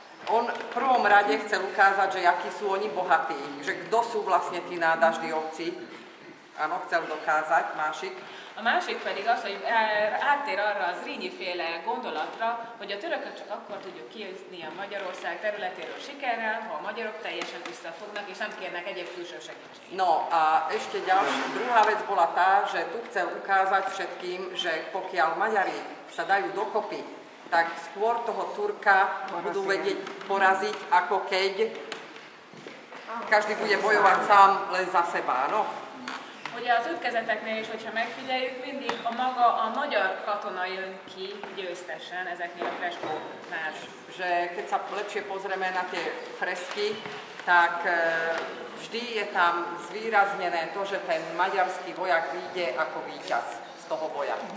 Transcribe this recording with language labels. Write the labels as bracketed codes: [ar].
[sk] On v prvom rade chcel ukázať, že akí sú oni bohatí, že kto sú vlastne tí Nádasdyovci. Áno, chcel dokázať, másik. [hu] A másik pedig az, hogy áttér arra a Zrínyi féle gondolatra, hogy a törököt csak akkor tudjuk kiűzni a Magyarország területéről sikerrel, ha a magyarok teljesen összefognak és nem kérnek egyéb külső segítséget. [sk] No, a ešte ďalší, druhá vec bola tá, že tu chcel ukázať všetkým, že pokiaľ Maďari sa dajú dokopy, tak skôr toho Turka budú vedieť poraziť, ako keď každý bude bojovať sám len za seba, áno? [hu] Ugye az ütkezeteknél is, hogyha megfigyeljük, mindig a maga a magyar katona jön ki győztesen ezeknél a freskóknál. [sk] Že keď sa lepšie pozrieme na tie fresky, tak vždy je tam zvýraznené to, že ten maďarský vojak vyjde ako víťaz z toho boja.